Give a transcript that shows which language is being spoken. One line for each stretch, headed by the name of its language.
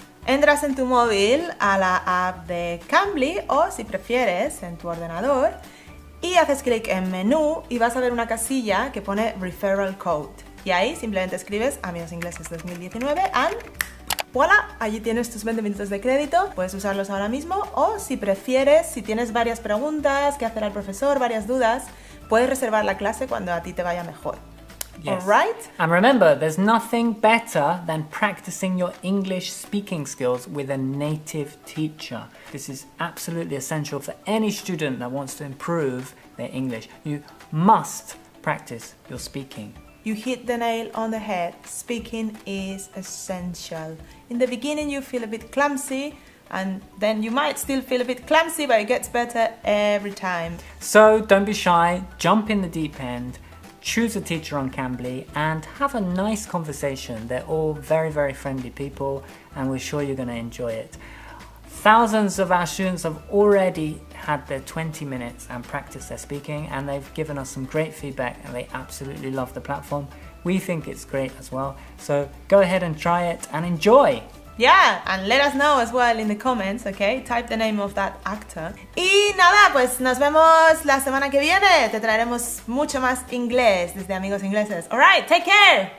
Spanish: Entras en tu móvil a la app de Cambly o, si prefieres, en tu ordenador y haces clic en menú y vas a ver una casilla que pone Referral Code. Y ahí simplemente escribes Amigos Ingleses 2019 y ¡voilà! Allí tienes tus 20 minutos de crédito. Puedes usarlos ahora mismo o, si prefieres, si tienes varias preguntas que hacer al profesor, varias dudas, puedes reservar la clase cuando a ti te vaya mejor.
English: Yes. All right. And remember, there's nothing better than practicing your English speaking skills with a native teacher. This is absolutely essential for any student that wants to improve their English. You must practice your speaking. You hit the nail on the head. Speaking is essential. In the beginning, you feel a bit clumsy, and then you might still feel a bit clumsy, but it gets better every time. So don't be shy, jump in the deep end, choose a teacher on Cambly and have a nice conversation. They're all very, very friendly people and we're sure you're going to enjoy it. Thousands of our students have already had their 20 minutes and practiced their speaking and they've given us some great feedback and they absolutely love the platform. We think it's great as well. So go ahead and try it and enjoy. Yeah, and let us know as well in the comments, okay? Type the name of that actor.
Spanish: Y nada, pues nos vemos la semana que viene. Te traeremos mucho más inglés desde Amigos Ingleses.
English: All right, take care.